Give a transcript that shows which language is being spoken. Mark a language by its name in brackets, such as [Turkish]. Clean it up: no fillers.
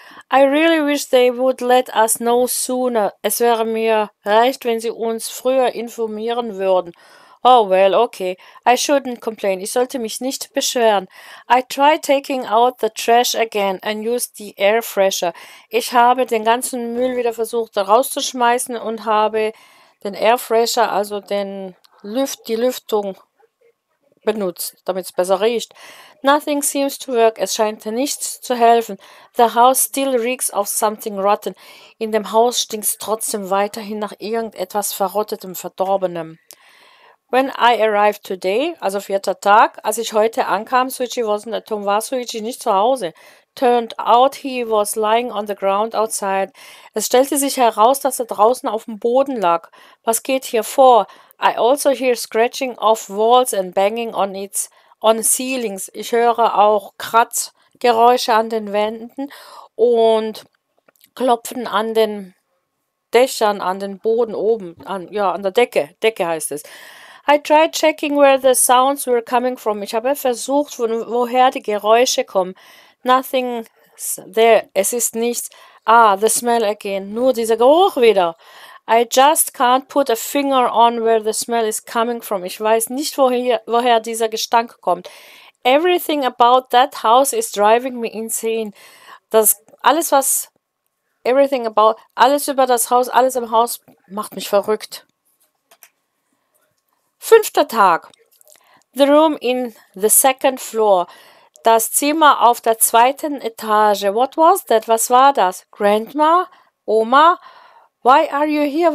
[English] I really wish they would let us know sooner. [German] Es wäre mir recht, wenn sie uns früher informieren würden. [English] Oh well, okay. I shouldn't complain. [German] Ich sollte mich nicht beschweren. [English] I try taking out the trash again and use the air fresher. [German] Ich habe den ganzen Müll wieder versucht rauszuschmeißen und habe den Air Fresher, also die Lüftung benutzt, damit es besser riecht. [English] Nothing seems to work. [German] Es scheint nichts zu helfen. [English] The house still reeks of something rotten. [German] In dem Haus stinkt es trotzdem weiterhin nach irgendetwas Verrottetem, Verdorbenem. [English] When I arrived today, [German] also vierter Tag, als ich heute ankam, [English] Suichi wasn't at home, [German] war Suichi nicht zu Hause. [English] Turned out he was lying on the ground outside. [German] Es stellte sich heraus, dass er draußen auf dem Boden lag. Was geht hier vor? [English] I also hear scratching of walls and banging on ceilings. [German] Ich höre auch Kratzgeräusche an den Wänden und Klopfen an den Dächern an den Boden oben, an, ja, an der Decke. Decke heißt es. [English] I tried checking where the sounds were coming from. [German] Ich habe versucht, woher die Geräusche kommen. [English] Nothing there. [German] Es ist nichts. [English] Ah, the smell again. [German] Nur dieser Geruch wieder. [English] I just can't put a finger on where the smell is coming from. [German] Ich weiß nicht, woher dieser Gestank kommt. [English] Everything about that house is driving me insane. [German] Das alles, was. [English] Everything about. [German] Alles über das Haus, alles im Haus macht mich verrückt. Fünfter Tag. [English] The room in the second floor. [German] Das Zimmer auf der zweiten Etage. [English] What was that? [German] Was war das? [English] Grandma? [German] Oma? [English] Why are you here?